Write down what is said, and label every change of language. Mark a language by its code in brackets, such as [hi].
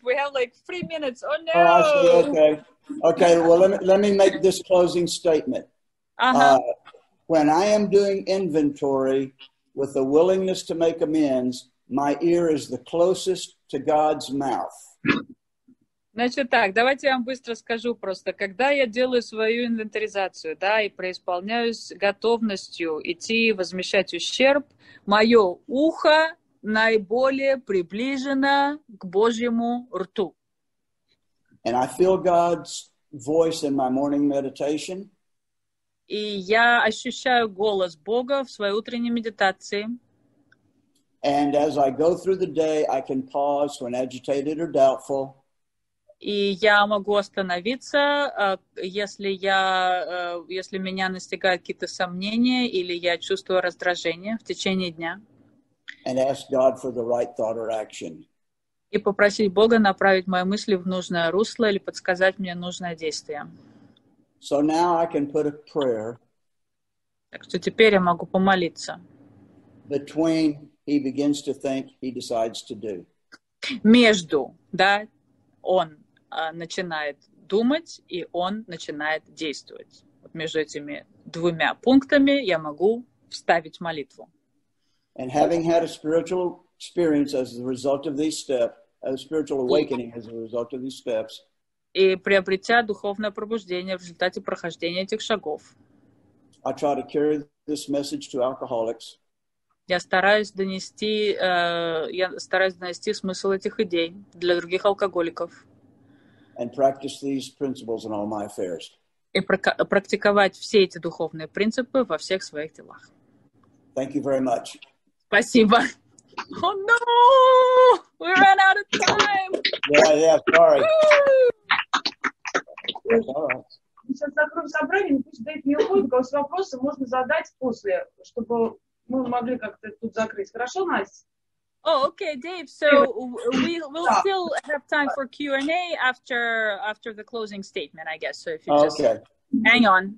[en] We have like 3 minutes. Oh no. Oh, I see. Okay. Okay. Well, let me make this closing statement. Uh-huh. When I am doing inventory with a willingness to make amends, my ear is the closest to God's mouth. [ru] Значит так, давайте я вам быстро скажу просто, когда я делаю свою инвентаризацию, да, и преисполняюсь готовностью идти возмещать ущерб, мое ухо наиболее приближено к Божьему рту. [en] And I feel God's voice in my morning meditation. [ru] И я ощущаю голос Бога в своей утренней медитации. [en] And as I go through the day, I can pause when agitated or doubtful. [ru] И я могу остановиться, если меня настигают какие-то сомнения или я чувствую раздражение в течение дня. [en] And ask God for the right thought or action. [ru] И попросить Бога направить мои мысли в нужное русло или подсказать мне нужное действие. [en] So now I can put a prayer. [ru] Так что теперь я могу помолиться. [en] Between he begins to think, he decides to do. [ru] Между, да, он начинает думать, и он начинает действовать. Вот между этими двумя пунктами я могу вставить молитву. [en] And having had a spiritual experience as a result of these steps, a spiritual awakening as a result of these steps, [ru] и приобретя духовное пробуждение в результате прохождения этих шагов, [en] I try to carry this message to alcoholics. [ru] Я стараюсь донести смысл этих идей для других алкоголиков. [en] And practice these principles in all my affairs. [ru] И практиковать все эти духовные принципы во всех своих делах. [en] Thank you very much. [ru] Спасибо. [en] Oh no! We ran out of time! Yeah, sorry. [ru] Мы сейчас закроем собрание, пусть дает мне улыбку, а вопросы можно задать после, чтобы мы могли как-то тут закрыть. Хорошо, Настя? [en] Oh, okay, Dave. So we'll still have time for Q&A after the closing statement, I guess. So if you just hang on.